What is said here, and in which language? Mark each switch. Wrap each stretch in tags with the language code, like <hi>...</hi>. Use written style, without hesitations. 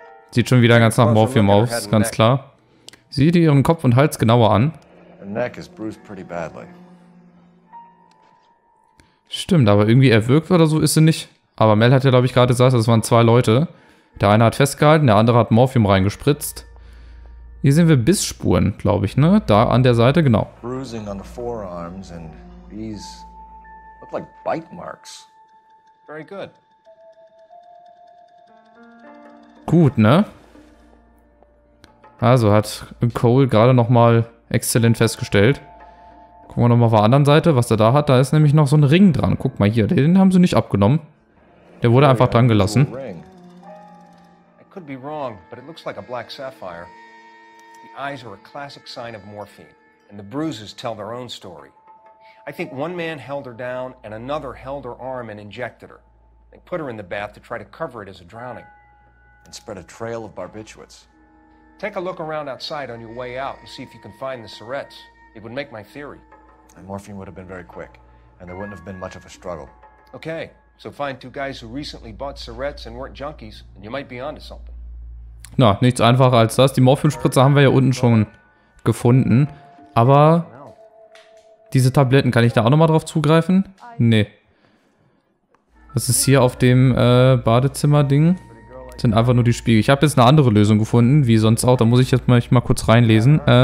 <de>Sieht schon wieder ganz nach Morphium aus, ganz klar. Sieh dir ihren Kopf und Hals genauer an.</de> <en>Her neck is bruised pretty badly.</en> <de>Stimmt, aber irgendwie erwürgt oder so ist sie nicht. Aber Mel hat ja, glaube ich, gerade gesagt, das waren zwei Leute. Der eine hat festgehalten, der andere hat Morphium reingespritzt. Hier sehen wir Bissspuren, glaube ich, ne? Da an der Seite, genau.</de> <en>Bruising on the forearms and these look like bite marks. Very good.</en> <de>Gut, ne? Also hat Cole gerade nochmal exzellent festgestellt. Gucken wir nochmal auf der anderen Seite, was er da hat. Da ist nämlich noch so ein Ring dran. Guck mal hier, den haben sie nicht abgenommen. Der wurde einfach dran gelassen.</de> <en>I could be wrong, but it looks like a black sapphire. The eyes are a classic sign of morphine and the bruises tell their own story. I think one man held her down and another held her arm and injected her. They put her in the bath to try to cover it as a drowning and spread a trail of barbiturates. Take a look around outside on your way out and see if you can find the Sorettes. It would make my theory. The morphine would have been very quick and there wouldn't have been much of a struggle. Okay. So find two guys who recently bought Sorettes and weren't junkies and you might be onto something.</en> <de>Na, nichts einfacher als das. Die Morphinspritze haben wir ja unten schon gefunden. Aber diese Tabletten, kann ich da auch nochmal drauf zugreifen? Nee. Das ist hier auf dem Badezimmer-Ding. Das sind einfach nur die Spiegel. Ich habe jetzt eine andere Lösung gefunden, wie sonst auch. Da muss ich jetzt mal kurz reinlesen.</de>